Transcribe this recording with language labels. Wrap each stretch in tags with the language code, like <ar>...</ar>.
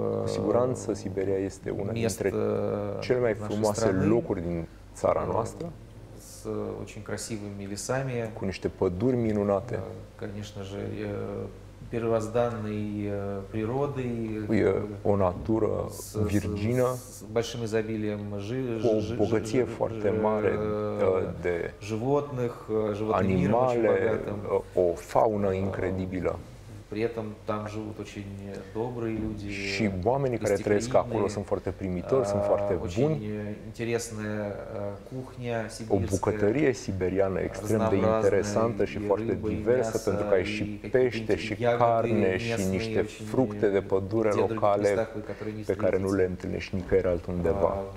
<ro>Cu siguranță Siberia este una dintre cele mai frumoase locuri din țara noastră.</ro> <ru>С очень красивыми лесами.</ru> <ro>Cu niște păduri minunate.</ro> <ru>Конечно же, первозданной природой,</ru> <ro>o natură virgină,</ro> <ru>с большим изобилием</ru> <ro>богатие foarte mare de</ro> <ru>животных,</ru> <ro>animale, o faună incredibilă.</ro> <ru>При этом там живут очень добрые люди.</ru> <ro>Și oamenii care trăiesc acolo sunt foarte primitori, sunt foarte buni.</ro> <ru>Интересная кухня сибирская.</ru> <ro>O bucătărie siberiană extrem de interesantă și foarte diversă, pentru că ai și pește și carne și niște fructe de pădure locale pe care nu le întâlnești nicăieri altundeva.</ro>